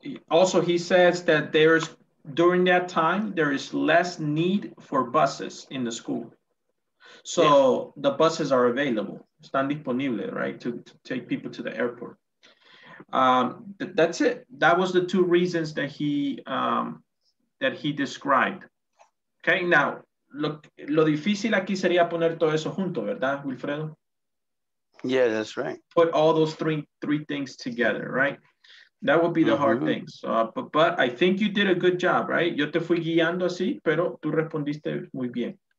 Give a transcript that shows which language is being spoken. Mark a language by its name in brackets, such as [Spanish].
[English] Also, he says that there's, during that time, there is less need for buses in the school. So yeah. The buses are available, [Spanish] están disponible, [English] right, to take people to the airport. That's it. That was the two reasons that he described. [Spanish] Okay, now, lo difícil aquí sería poner todo eso junto, ¿verdad, Wilfredo? [English] Yeah, that's right. Put all those three things together, right? That would be the mm-hmm. hard thing. So, but I think you did a good job, right? [Spanish] Yo te fui guiando así, pero tú respondiste muy bien.